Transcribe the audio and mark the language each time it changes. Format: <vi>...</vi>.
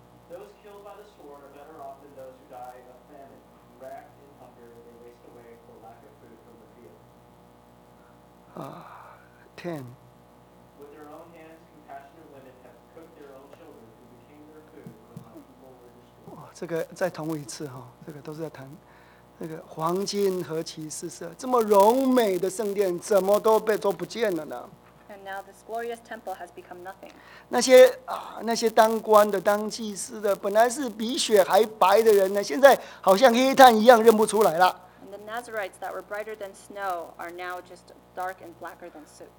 <en>Those killed by the sword are better off than those who die of famine, racked in hunger, and they waste away for lack of food from the field. 10. With their own hands, compassionate women have cooked their own children, who became their food when people were destroyed.</en> <zh>这个都是在谈。这个黄金和骑士是这么荣美的圣殿，怎么都被都不见了呢？</zh> <en>And now this glorious temple has become nothing.</en> <zh>那些当官的、当祭司的，本来是比雪还白的人呢，现在好像黑炭一样，认不出来了。</zh> <en>And the Nazarites that were brighter than snow are now just dark and blacker than soot.</en>